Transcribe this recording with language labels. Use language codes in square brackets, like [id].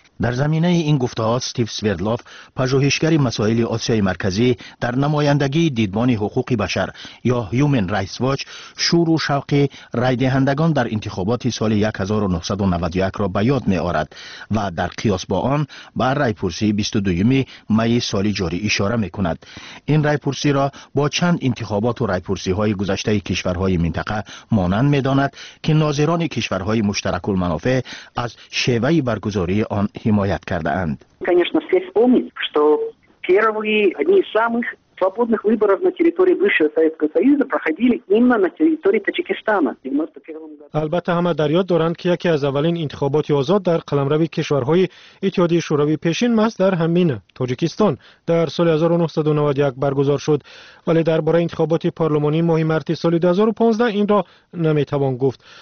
[fa] در زمینه این گفته‌ها استیو سویردلوف، پژوهشگر مسائل آسیای مرکزی در نمایندگی دیدبان حقوق بشر یا Human Rights Watch، شور و شوق رای دهندگان در انتخابات سال 1991 را به یاد می‌آورد و در قیاس با آن به رایپرسی 22 می سال جاری اشاره می‌کند. این رایپرسی را با چند انتخابات و رایپرسی‌های گذشته کشورهای منطقه مانند می‌داند که ناظران کشورهای مشترک المنافع از شیوه برگزاری آن حمایت کرده اند. [ru] Конечно, все вспомнить, что первые одни из самых свободных выборов на территории бывшего Советского Союза проходили именно на территории Таджикистана. [fa] البته همه در یاد دارند که یکی از اولین انتخابات آزاد در قلمرو کشورهای اتحادیه شوروی پیشین مست در همین تاجیکستان در سال 1991 برگزار شد، ولی درباره انتخابات پارلمانی ماه مارس سال 2015 این را نمیتوان گفت.